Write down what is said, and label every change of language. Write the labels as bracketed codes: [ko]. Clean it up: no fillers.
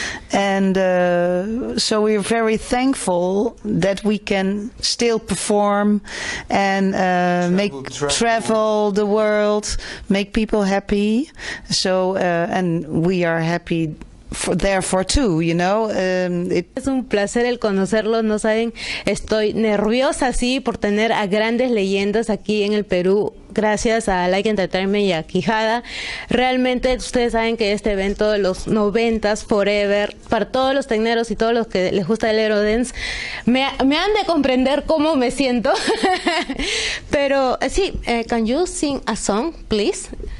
[en] And so we are very thankful that we can still perform and travel the world, make people happy. So, and we are happy therefore too, you know. [es] Es un placer el conocerlos, no saben, estoy nerviosa, sí, por tener a grandes leyendas aquí en el Perú. Gracias a Like Entertainment y a Quijada. Realmente ustedes saben que este evento de los 90s Forever, para todos los tecneros y todos los que les gusta el Eurodance, me han de comprender cómo me siento. Pero sí, [en] can you sing a song, please?